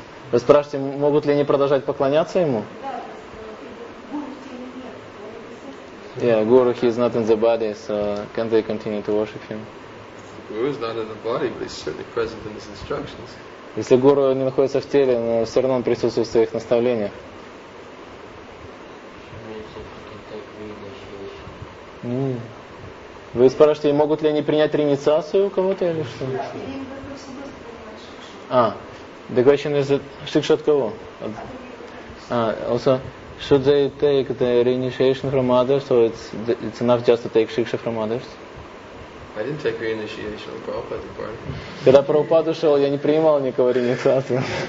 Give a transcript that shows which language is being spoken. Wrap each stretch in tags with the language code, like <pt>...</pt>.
<ru>Вы спрашиваете, могут ли они продолжать поклоняться ему?</ru> <en>Yeah, Guru, he is not in the body, so can they continue to worship him? Guru is not in the body, but he's certainly present in his instructions.</en> <ru>Если Гуру не находится в теле, но все равно он присутствует в своих наставлениях. Вы спрашиваете, могут ли они принять реинициацию у кого-то или что?</ru> <en>The question is,</en> <ru>шикша от кого?</ru> <en>Also, should they take the reinitiation from others, or it's enough just to take шикша from others? I didn't take reinitiation from Prabhupada's party.</en> <ru>Когда Прабхупада ушел, я не принимал никого реинициацию.</ru>